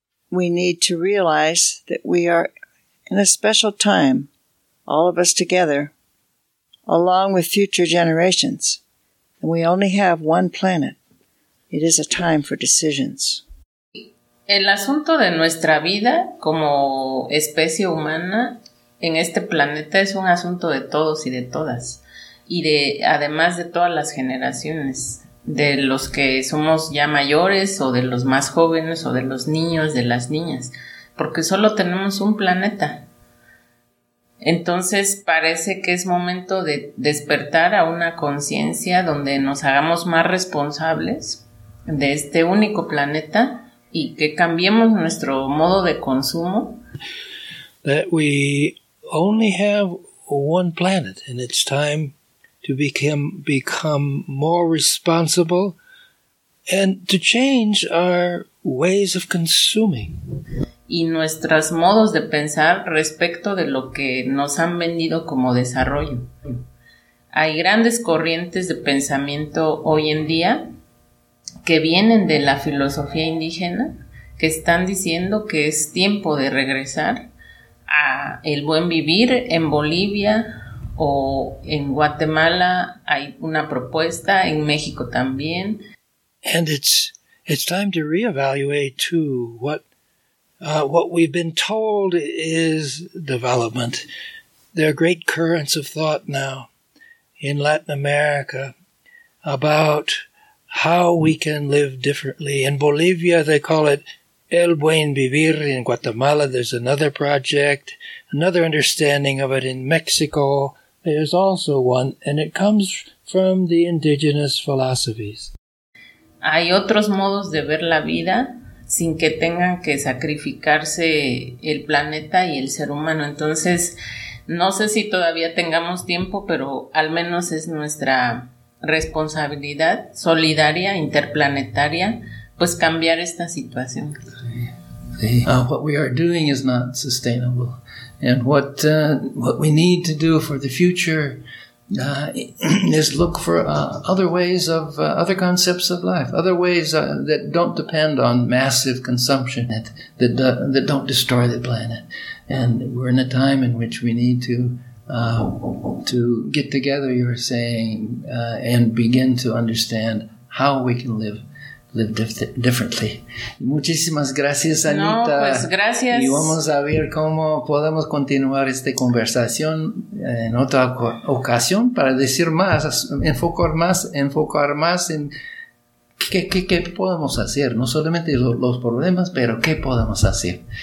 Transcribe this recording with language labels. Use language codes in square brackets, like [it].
[en] We need to realize that we are in a special time, all of us together, along with future generations, and we only have one planet. It is a time for decisions. [es] El asunto de nuestra vida como especie humana en este planeta es un asunto de todos y de todas, y de además de todas las generaciones. De los que somos ya mayores, o de los más jóvenes, o de los niños, de las niñas, porque solo tenemos un planeta. Entonces parece que es momento de despertar a una conciencia donde nos hagamos más responsables de este único planeta y que cambiemos nuestro modo de consumo. [en] That we only have one planet and it's time to become more responsible and to change our ways of consuming. [es] Y nuestros modos de pensar respecto de lo que nos han vendido como desarrollo. Hay grandes corrientes de pensamiento hoy en día que vienen de la filosofía indígena, que están diciendo que es tiempo de regresar a el buen vivir en Bolivia. O en Guatemala hay una propuesta, en México también. [en] And it's time to reevaluate too what we've been told is development. There are great currents of thought now in Latin America about how we can live differently. In Bolivia they call it El Buen Vivir. In Guatemala there's another project, another understanding of it. In Mexico there's also one, and it comes from the indigenous philosophies. [es] Hay otros modos de ver la vida sin que tengan que sacrificarse el planeta y el ser humano. Entonces, no sé si todavía tengamos tiempo, pero al menos es nuestra responsabilidad solidaria, interplanetaria, pues cambiar esta situación. [en] What we are doing is not sustainable. And what we need to do for the future is look for other ways of other concepts of life, other ways that don't depend on massive consumption, that don't destroy the planet. And we're in a time in which we need to get together, you're saying, and begin to understand how we can live differently. [es] Muchísimas gracias, Anita. No, pues gracias. Y vamos a ver cómo podemos continuar esta conversación en otra ocasión para decir más, enfocar más en qué podemos hacer, no solamente los problemas, pero qué podemos hacer.